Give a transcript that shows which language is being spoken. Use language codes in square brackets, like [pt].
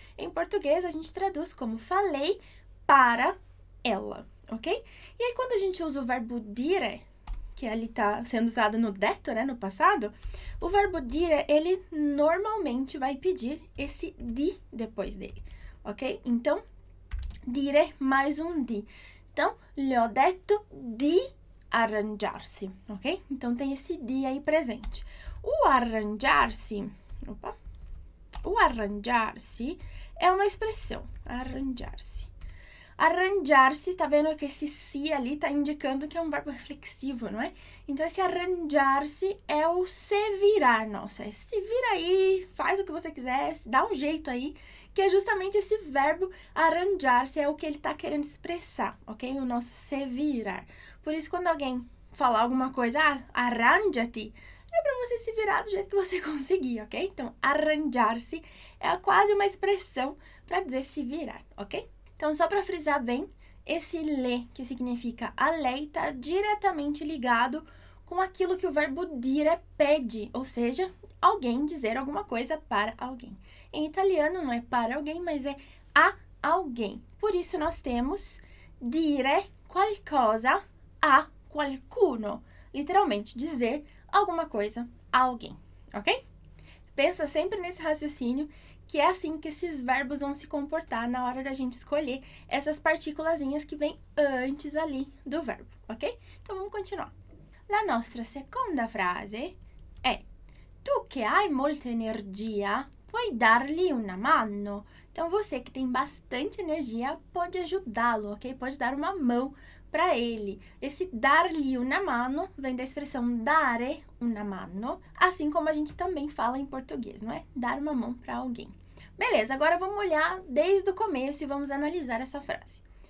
[pt] Em português, a gente traduz como falei para ela, ok? E aí, quando a gente usa o verbo dire, que ali está sendo usado no detto, né, no passado, o verbo dire, ele normalmente vai pedir esse di depois dele, ok? Então, dire mais um di. [it] Então, le ho detto di arrangiarsi, ok? [pt] Então, tem esse di aí presente. O arrangiarsi, opa, [it] arrangiarsi è un'espressione, arrangiarsi. Arrangiarsi, sta vendo che si sia lì, sta indicando che è un verbo flessivo, non è? [pt] Então, se arrangiarsi é o se virar, não, se vira aí, faz o que você quiser, dá um jeito aí, que é justamente esse verbo arrangiarsi, é o que ele está querendo expressar, ok? O nosso se virar. Por isso, quando alguém falar alguma coisa, ah, arrangia-te, é para você se virar do jeito que você conseguir, ok? Então, arrangiarsi é quase uma expressão para dizer se virar, ok? Então, só para frisar bem, esse le, que significa a lei, está diretamente ligado com aquilo que o verbo dire pede, ou seja, alguém dizer alguma coisa para alguém. Em italiano, não é para alguém, mas é a alguém. Por isso, nós temos [it] dire qualcosa a qualcuno. [pt] Literalmente, dizer alguma coisa a alguém, ok? Pensa sempre nesse raciocínio, que é assim que esses verbos vão se comportar na hora da gente escolher essas partículazinhas que vêm antes ali do verbo, ok? Então vamos continuar. [it] La nostra seconda frase è: tu che hai molta energia, puoi dargli una mano. [pt] Então você que tem bastante energia pode ajudá-lo, ok? Pode dar uma mão para ele. Esse dar-lhe una mano vem da expressão [it] dare una mano, [pt] assim como a gente também fala em português, não é? Dar uma mão para alguém. Beleza, agora vamos olhar desde o começo e vamos analisar essa frase.